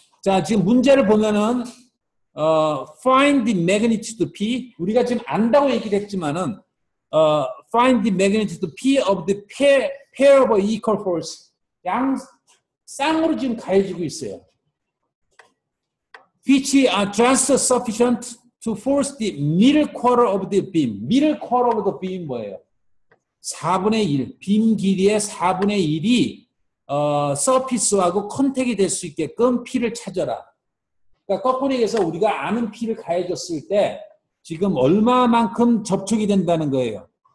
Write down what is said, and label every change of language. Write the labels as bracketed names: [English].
[Korean] 자, 지금 문제를 보면은 [English] find the magnitude P. [Korean] 우리가 지금 안다고 얘기를 했지만은 [English] find the magnitude P of the pair of equal force. [Korean] 양 쌍으로 지금 가해지고 있어요. [English] Which are just sufficient to force the middle quarter of the beam. Middle quarter of the beam [Korean] 뭐예요? 4분의 1, 빔 길이의 4분의 1이 서피스하고 컨택이 될 수 있게끔 P를 찾아라. 그러니까 거꾸로 얘기해서 우리가 아는 P를 가해줬을 때 지금 얼마만큼 접촉이 된다는 거예요.